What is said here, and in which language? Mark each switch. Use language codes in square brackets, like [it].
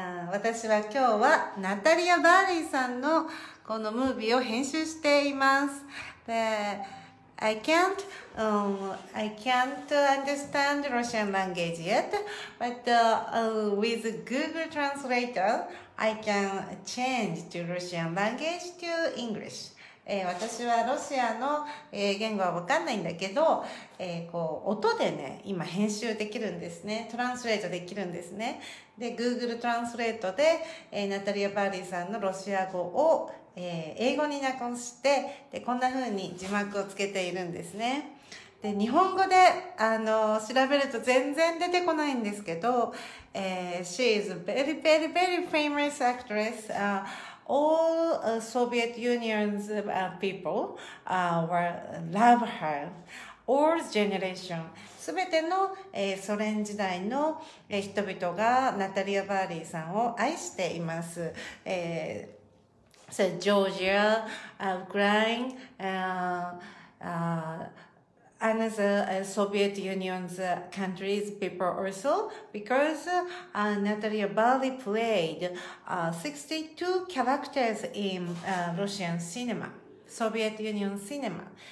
[ja] 私は今日はナタリア・バーリーさんのこのムービーを編集しています。 [en] で、I can't understand Russian language yet, but with Google Translator, I can change to Russian language to English. [ja] 私はロシアの、言語は分かんないんだけど、こう音でね、今編集できるんですね。トランスレートできるんですね。で、Google トランスレートで、ナタリア・バーリーさんのロシア語を、英語に直して、で、こんな風に字幕をつけているんですね。で、日本語で、調べると全然出てこないんですけど、 [en] She is a very, very, very famous actress. All Soviet Union's people were love her. All generation. [ja] すべての、ソ連時代の、人々がナタリア・バーリーさんを愛しています。 [en] So Georgia, Ukraine, another Soviet Union's countries people also, because Natalia Valli played 62 characters in Russian cinema, Soviet Union cinema.